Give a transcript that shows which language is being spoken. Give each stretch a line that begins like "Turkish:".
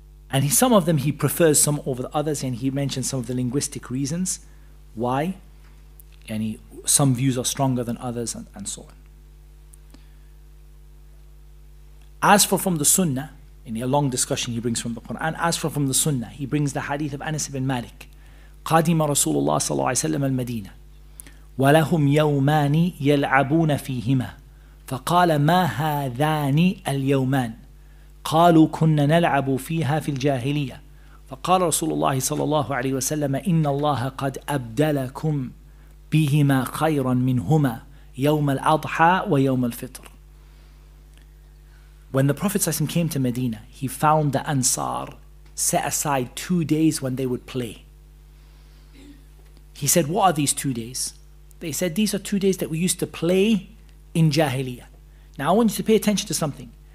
English: And he, some of them he prefers some over the others, and he mentions some of the linguistic reasons why any some views are stronger than others and so on. As for from the Sunnah, in a long discussion he brings from the Quran, as for from the Sunnah, he brings the hadith of Anas ibn Malik.
Arabic: قَادِمَ رَسُولُ اللَّهِ صَلَّى اللَّهِ سَلَّمَ الْمَدِينَةِ وَلَهُمْ يَوْمَانِ يَلْعَبُونَ فِيهِمَا فَقَالَ مَا هَذَانِ الْيَوْمَانِ قالوا كنا نلعب فيها في الجاهلية فقال رسول الله صلى الله عليه وسلم إن الله قد أبدلكم بهما خيرا منهما يوم الأضحى ويوم الفطر.
English: When the Prophet ﷺ came to Medina, he found the Ansar set aside 2 days when they would play. He said, what are these 2 days? They said, these are 2 days that we used to play in Jahiliyyah. Now I want you to pay attention to something.